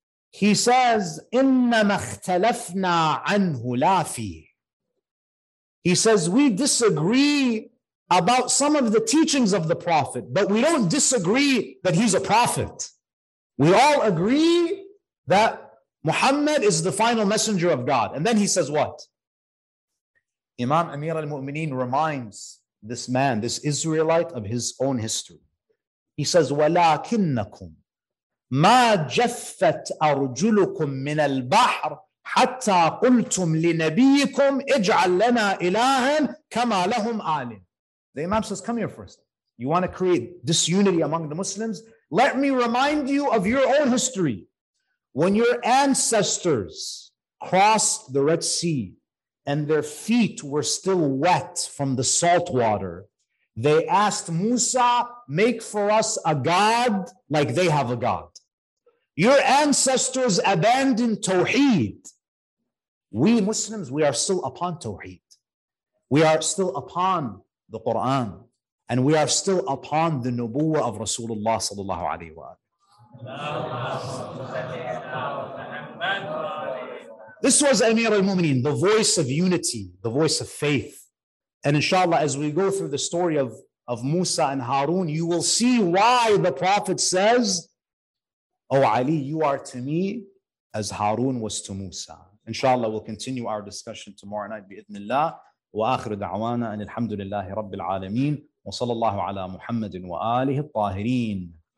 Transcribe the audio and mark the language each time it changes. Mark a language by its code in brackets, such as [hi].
[en] He says, [ar] إِنَّمَا اخْتَلَفْنَا عَنْهُ لَا فِيهِ [en] He says, we disagree about some of the teachings of the Prophet, but we don't disagree that he's a prophet. We all agree that Muhammad is the final messenger of God. And then he says what? Imam Amir al-Mu'mineen reminds this man, this Israelite, of his own history. He says, [ar] وَلَكِنَّكُمْ ما جفت أرجلكم من البحر حتى قلتم لنبيكم اجعل لنا إلها كما لهم آلهة. [en] The Imam says, come here for a second. You want to create disunity among the Muslims? Let me remind you of your own history. When your ancestors crossed the Red Sea and their feet were still wet from the salt water, they asked Musa, make for us a god like they have a god. Your ancestors abandoned Tawheed. We Muslims, we are still upon Tawheed. We are still upon the Quran. And we are still upon the Nubuwwah of Rasulullah sallallahu alayhi wa sallam. This was Amir al-Mu'mineen, the voice of unity, the voice of faith. And inshallah, as we go through the story of Musa and Harun, you will see why the Prophet says, oh Ali, you are to me as Harun was to Musa. Inshallah, we'll continue our discussion tomorrow night, bi-idhnillah. [ar] وآخر دعوانا أن الحمد لله رب العالمين وصلى الله على محمد وآله الطاهرين.